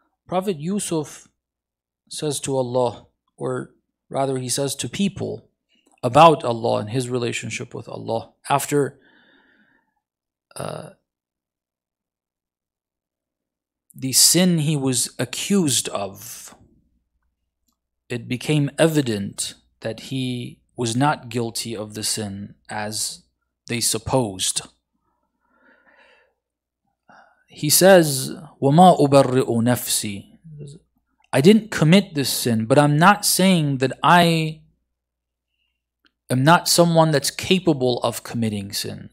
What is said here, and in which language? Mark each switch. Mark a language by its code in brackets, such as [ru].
[en] Prophet Yusuf says to Allah, or rather he says to people about Allah and his relationship with Allah, after the sin he was accused of, it became evident that he was not guilty of the sin as they supposed. He says, [ar] وَمَا أُبَرِّئُ نَفْسِي. [en] I didn't commit this sin, but I'm not saying that I am not someone that's capable of committing sin.